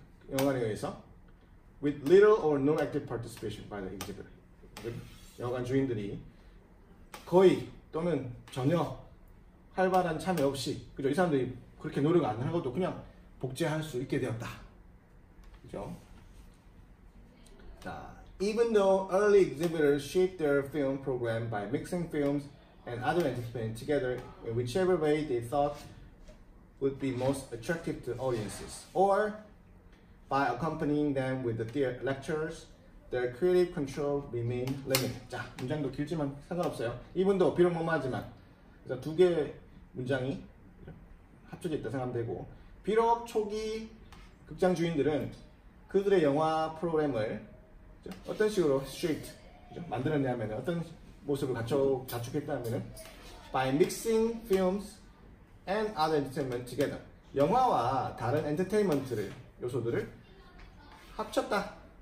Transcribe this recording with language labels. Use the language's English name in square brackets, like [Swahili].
[Korean] 영화관에 의해서 [English] with little or no active participation by the exhibitor. [Korean] 영화관 주인들이 거의 또는 전혀 활발한 참여 없이 그죠? 이 사람들이 그렇게 노력 안 하는 것도 그냥 복제할 수 있게 되었다. 그죠? 자, [English] even though early exhibitors shaped their film program by mixing films and other entertainment together in whichever way they thought would be most attractive to audiences or by accompanying them with the lectures their creative control remained limited. [Korean] 자, 문장도 길지만 상관없어요. even though 비록 뭐뭐하지만 그래서 두 개 문장이 합쳐져 있다 생각하면 되고 비록 초기 극장 주인들은 그들의 영화 프로그램을 어떤 식으로 스트릿 만들었냐 하면 어떤 모습을 자축했다 하면 [English] by mixing films and other entertainment together [Korean] 영화와 다른 엔터테인먼트를 요소들을 합쳤다